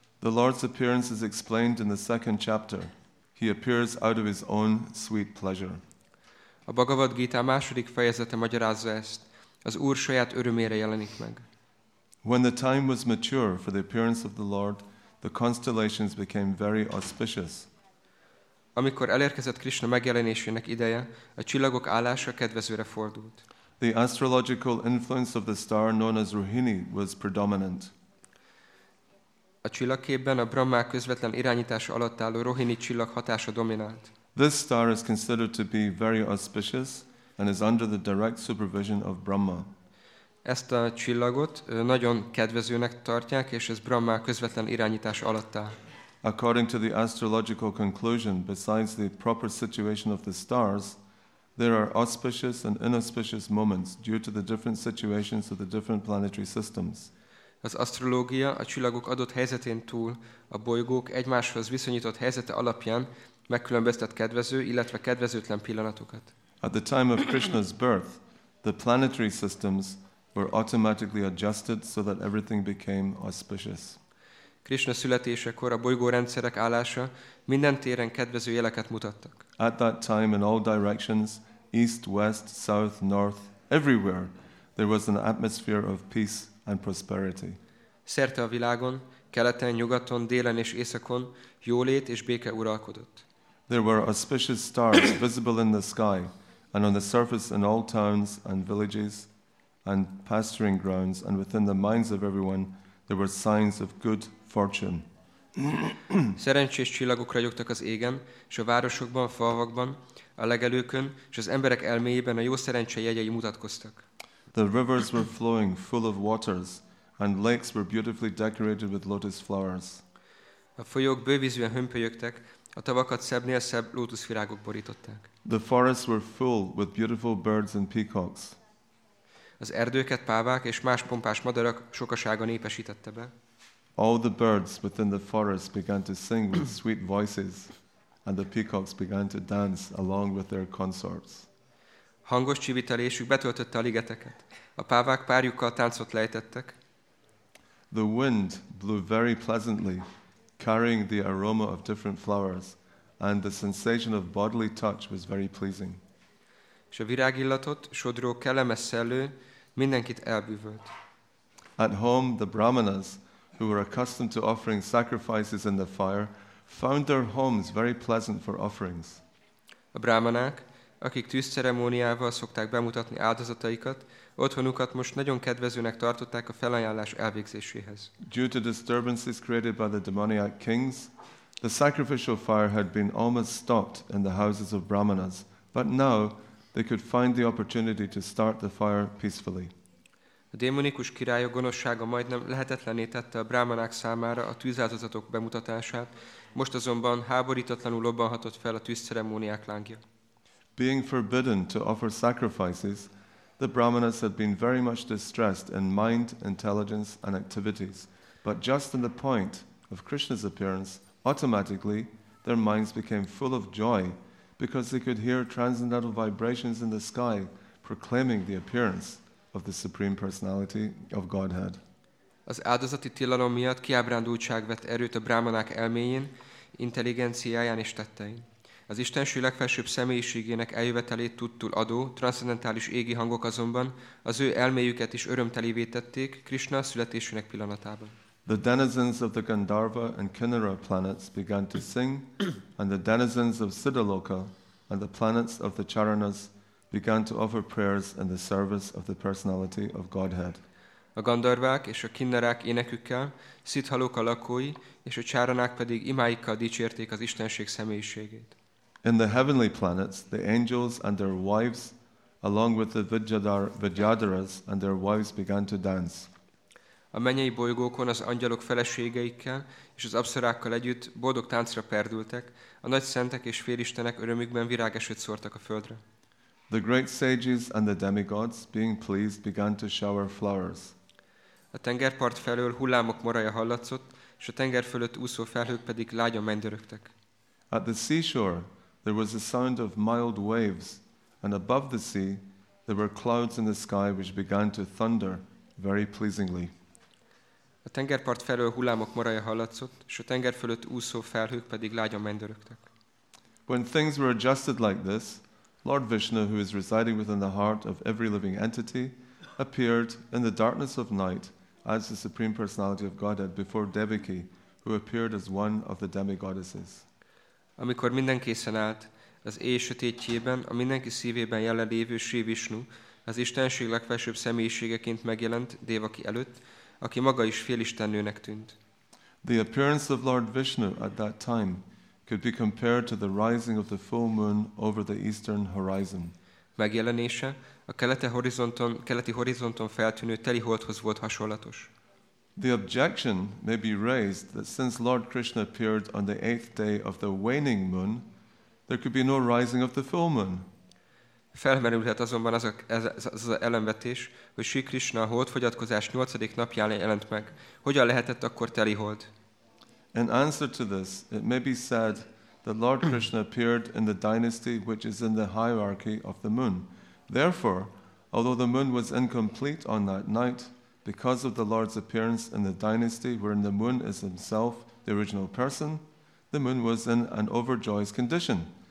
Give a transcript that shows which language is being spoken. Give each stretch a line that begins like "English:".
English: The Lord's appearance is explained in the second chapter. He appears out of his own sweet pleasure.
Hungarian: A Bhagavad Gita második fejezete magyarázza ezt. Az Úr saját örömére jelenik meg.
English: When the time was mature for the appearance of the Lord, the constellations became very auspicious.
Hungarian: Amikor elérkezett Krishna megjelenésének ideje, a csillagok állása kedvezőre fordult.
English: The astrological influence of the star known as Rohini was predominant.
Hungarian: A csillagképben a Brahmák közvetlen irányítása alatt álló Rohini csillag hatása dominált.
English: This star is considered to be very auspicious and is under the direct supervision of Brahma.
Hungarian: Ezt a csillagot nagyon kedvezőnek tartják, és ez Brahma közvetlen irányítás alatt áll.
English: According to the astrological conclusion, besides the proper situation of the stars, there are auspicious and inauspicious moments due to the different situations of the different planetary systems.
Hungarian: Az asztrológia a csillagok adott helyzetén túl a bolygók egymáshoz viszonyított helyzete alapján megkülönböztet kedvező, illetve kedvezőtlen pillanatokat.
English: At the time of Krishna's birth, the planetary systems were automatically adjusted so that everything became auspicious.
Hungarian: Krishna születésekor a bolygórendszerek állása minden téren kedvező jeleket mutattak.
English: At that time, in all directions, east, west, south, north, everywhere, there was an atmosphere of peace and prosperity.
Hungarian: Szerte a világon, keleten, nyugaton, délen és északon jólét és béke uralkodott.
English: There were auspicious stars visible in the sky and on the surface in all towns and villages and pasturing grounds, and within the minds of everyone there were signs of good fortune.
Hungarian: Szerencsés csillagok ragyogtak az égen, és a városokban, a falvakban, a legelőkön, és az emberek elméjében a jó szerencse jegyei mutatkoztak.
English: The rivers were flowing full of waters, and lakes were beautifully decorated with lotus flowers.
Hungarian: A folyók bővízűen hömpölyögtek, a tavakat szebbnél szebb lótuszvirágok borították.
English: The forests were full with beautiful birds and peacocks.
Hungarian: Az erdőket pávák és más pompás madarak sokasága népesítette be.
English: All the birds within the forest began to sing with sweet voices, and the peacocks began to dance along with their consorts.
Hungarian: Hangos csivitelésük betöltötte a ligeteket. A pávák párjukkal táncot lejtettek.
English: The wind blew very pleasantly, carrying the aroma of different flowers, and the sensation of bodily touch was very pleasing.
Hungarian: És a virágillatot sodró kellemes szellő mindenkit elbűvölt.
English: At home, the brahmanas, who were accustomed to offering sacrifices in the fire, found their homes very pleasant for offerings.
Hungarian: A brahmanák, akik tűzceremóniával szokták bemutatni áldozataikat, otthonukat most nagyon kedvezőnek tartották a felajánlás elvégzéséhez.
English: Due to disturbances created by the demoniac kings, the sacrificial fire had been almost stopped in the houses of brahmanas, but now they could find the opportunity to start the fire peacefully.
Hungarian: A démonikus királyok gonoszsága majdnem lehetetlenné tette a brahmanák számára a tűzáldozatok bemutatását, most azonban háborítatlanul lobbanhatott fel a tűzceremóniák lángja.
English: Being forbidden to offer sacrifices, the brahmanas had been very much distressed in mind, intelligence and activities. But just in the point of Krishna's appearance, automatically their minds became full of joy because they could hear transcendental vibrations in the sky proclaiming the appearance of the Supreme Personality of Godhead.
Hungarian: Az áldozati tilalom miatt kiábrándultság vett erőt a brahmanák elméjén, intelligenciáján és tettein. Az Istenség legfelsőbb személyiségének eljövetelét tudtul adó, transzendentális égi hangok azonban az ő elméjüket is örömtelivé tették Krishna születésének pillanatában.
English: The denizens of the Gandharva and Kinnara planets began to sing, and the denizens of Siddhaloka and the planets of the Charanas began to offer prayers in the service of the Personality of Godhead.
Hungarian: A Gandharvák és a Kinnarák énekükkel, Siddhaloka lakói és a Charanák pedig imáikkal dicsérték az Istenség személyiségét.
English: In the heavenly planets, the angels and their wives, along with the Vidyadharas and their wives, began to dance.
Hungarian: A mennyei bolygókon az angyalok feleségeikkel és az apszarákkal együtt boldog táncra perdültek, a nagy szentek és félistenek örömükben virágesőt szórtak a földre.
English: The great sages and the demigods, being pleased, began to shower flowers.
Hungarian: A tengerpart felől hullámok moraja hallatszott, és a tenger fölött úszó felhők pedig lágyan mendörögtek.
English: At the seashore, there was a sound of mild waves, and above the sea, there were clouds in the sky which began to thunder very pleasingly.
Hungarian: A tengerpart felől hullámok moraja hallatszott, s a tenger fölött úszó felhők pedig lágyan mendörögtek.
English: When things were adjusted like this, Lord Vishnu, who is residing within the heart of every living entity, appeared in the darkness of night as the Supreme Personality of Godhead before Devaki, who appeared as one of the demigoddesses.
Hungarian: Amikor minden készen állt, az éj sötétjében, a mindenki szívében jelenlévő Sri Vishnu, az Istenség legfelsőbb személyiségeként megjelent Devaki előtt, aki maga is félistennőnek tűnt.
English: The appearance of Lord Vishnu at that time could be compared to the rising of the full moon over the eastern horizon.
Hungarian: Megjelenése a keleti horizonton feltűnő teli holdhoz volt hasonlatos.
English: The objection may be raised that since Lord Krishna appeared on the eighth day of the waning moon, there could be no rising of the full moon.
Hungarian: Felmerülhet azonban az ellenvetés, hogy Sri Krishna a holdfogyatkozás 8. napján jelent meg. Hogyan lehetett akkor teli hold?
English: In answer to this, it may be said that Lord Krishna appeared in the dynasty which is in the hierarchy of the moon. Therefore, although the moon was incomplete on that night, because of the Lord's appearance in the dynasty wherein the moon is himself the original person, the moon was in an overjoyous condition.